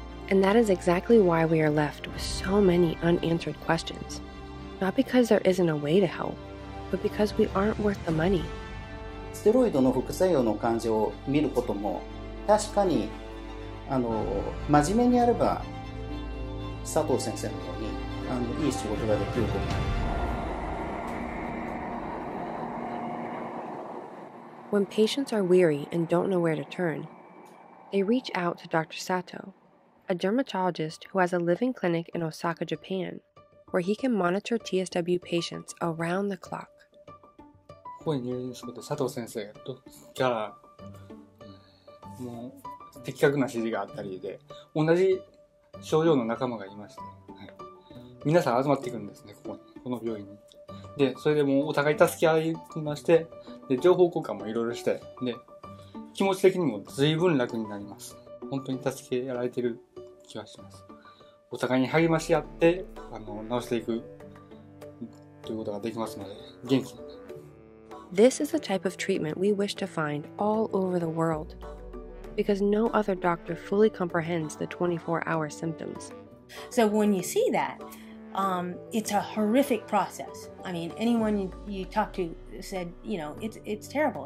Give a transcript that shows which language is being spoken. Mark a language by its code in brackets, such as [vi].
[en] And that is exactly why we are left with so many unanswered questions. Not because there isn't a way to help, but because we aren't worth the money. [ja] ステロイドの副作用の患者を見ることも、確かに真面目にやれば佐藤先生のようにいい仕事ができると思います。 [en] When patients are weary and don't know where to turn, they reach out to Dr. Sato, a dermatologist who has a living clinic in Osaka, Japan, where he can monitor TSW patients around the clock. [ja] ここに入院することで佐藤先生からもう的確な指示があったりで、同じ症状の仲間がいまして、はい、皆さん集まってくるんですね、ここに、この病院に。でそれでもうお互い助け合いまして、で情報交換もいろいろして、で気持ち的にも随分楽になります。本当に助けられてる気はします。お互いに励まし合って治していくということができますので、元気に。 [en] This is the type of treatment we wish to find all over the world, because no other doctor fully comprehends the 24-hour symptoms. So when you see thatit's a horrific process. I mean, anyone you talk to said, it's terrible.